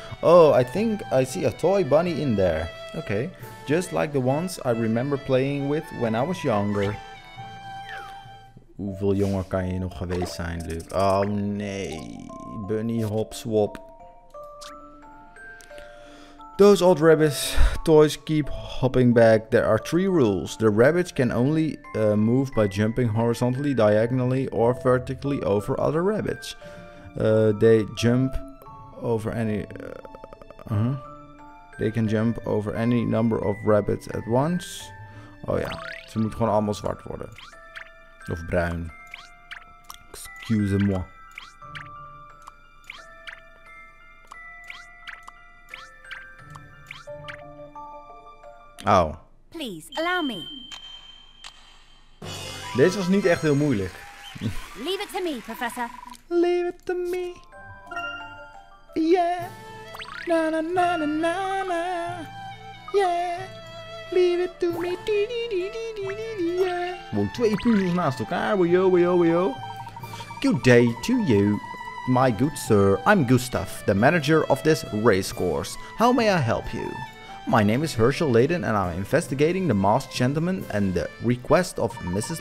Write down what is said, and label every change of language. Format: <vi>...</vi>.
<en>Oh, I think I see a toy bunny in there. Okay, just like the ones I remember playing with when I was younger.</en> <nl>Hoeveel jonger kan je nog geweest zijn, Luke? Oh nee, bunny hop swap.</nl> <en>Those old rabbits' toys keep hopping back. There are three rules. The rabbits can only move by jumping horizontally, diagonally, or vertically over other rabbits. They jump over any... They can jump over any number of rabbits at once.</en> <nl>Oh ja, ze moeten gewoon allemaal zwart worden. Of bruin.</nl> <fr>Excusez-moi. Oh.</fr> <en>Please, allow me.</en> <nl>Deze was niet echt heel moeilijk.</nl> <en>Leave it to me, professor. Leave it to me. Yeah. Na na na na na na. Yeah. Leave it to me. Dee dee dee dee dee dee dee. Yeah.</en> <nl>Gewoon twee puzzels naast elkaar.</nl> <en>Wajo, wajo, wajo. Good day to you, my good sir. I'm Gustav, the manager of this race course. How may I help you? My name is Herschel Layton and I'm investigating the masked gentleman and the request of Mrs.</en>